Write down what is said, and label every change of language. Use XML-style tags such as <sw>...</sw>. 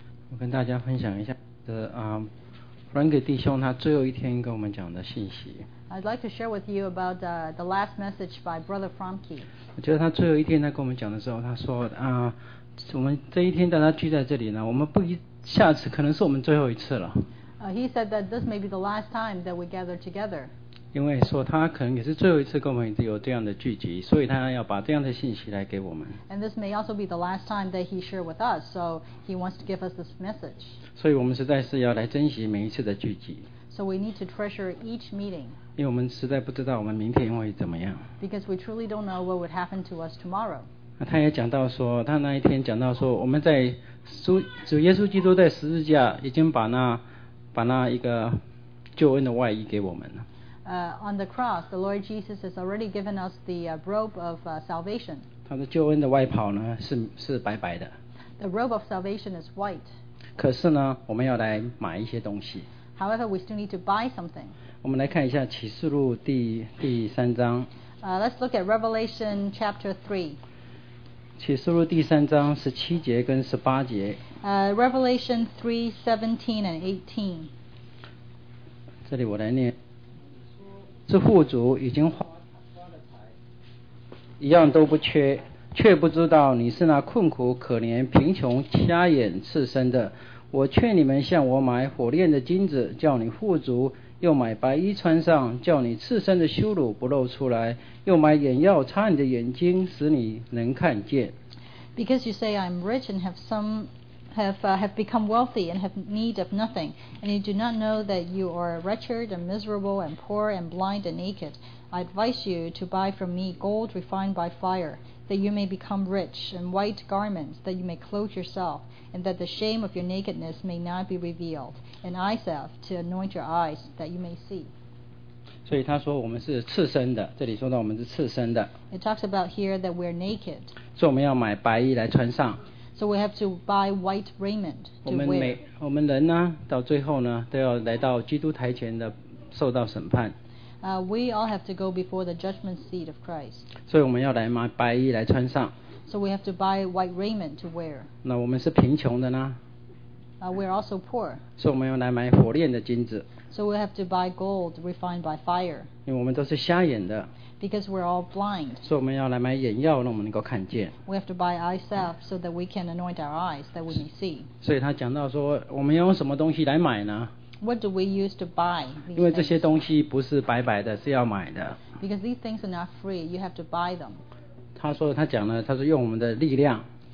<zh>我跟大家分享一下的Frank 弟兄他最后一天跟我们讲的信息。</zh> <en>I'd like to share with you about the last message by Brother Frumke.</en> <zh>我觉得他最后一天在跟我们讲的时候，他说我们这一天大家聚在这里呢，我们不一下次可能是我们最后一次了。</zh> <en>He said that this may be the last time that we gather together.</en> <zh>因为说他可能也是最后一次跟我们有这样的聚集，所以他要把这样的信息来给我们。</zh> <en>And this may also be the last time that he shared with us, so he wants to give us this message.</en> <zh>所以我们实在是要来珍惜每一次的聚集。</zh> <en>So we need to treasure each meeting.</en> <zh>因为我们实在不知道我们明天会怎么样。</zh> <en>Because we truly don't know what would happen to us tomorrow.</en> <zh>他也讲到说，他那一天讲到说，我们在主耶稣基督在十字架已经把那一个救恩的外衣给我们了。</zh> <en>On the cross, the Lord Jesus has already given us the robe of salvation.</en> <zh>他的救恩的外袍呢是白白的。</zh> <en>The robe of salvation is white.</en> <zh>可是呢，我们要来买一些东西。</zh> <en>However, we still need to buy something.</en> <zh>我们来看一下启示录第三章。</zh> <en>Let's look at Revelation chapter 3.</en> <zh>启示录第三章十七节跟十八节。</zh> <en>Revelation 3:17 and 18.</en> <zh>这里我来念。这富足已经花了财，一样都不缺，却不知道你是那困苦、可怜、贫穷、瞎眼、赤身的。我劝你们向我买火炼的金子，叫你富足，又买白衣穿上，叫你赤身的羞辱不露出来，又买眼药擦你的眼睛，使你能看见。</zh> <en>Because you say I'm rich and have become wealthy and have need of nothing, and you do not know that you are wretched and miserable and poor and blind and naked. I advise you to buy from me gold refined by fire, that you may become rich, and white garments, that you may clothe yourself, and that the shame of your nakedness may not be revealed, and eye salve to anoint your eyes, that you may see.</en> <zh>所以他说我们是赤身的，这里说到我们是赤身的。</zh> <en>It talks about here that we're naked.</en> <zh>所以我们要买白衣来穿上。</zh> <en>So we have to buy white raiment to wear.</en> <zh>我们人呢，到最后呢，都要来到基督台前的，受到审判。</zh> <en>We all have to go before the judgment seat of Christ.</en> <zh>所以我们要来买白衣来穿上。</zh> <en>So we have to buy white raiment to wear.</en> <zh>那我们是贫穷的呢。</zh> <en>We're also poor.</en> <zh>所以我们要来买火炼的金子。</zh> <en>So we have to buy gold refined by fire.</en> <zh>因为我们都是瞎眼的。</zh> <en>Because we're all blind.</en> <zh>所以我们要来买眼药，让我们能够看见。</zh> <en>We have to buy eye salve so that we can anoint our eyes that we may see.</en> <zh>所以他讲到说，我们要用什么东西来买呢？</zh> <en>What do we use to buy?</en> <zh>因为这些东西不是白白的，是要买的。</zh> <en>Because these things are not free, you have to buy them.</en> <zh>他说，他讲了，他说用我们的力量。</zh>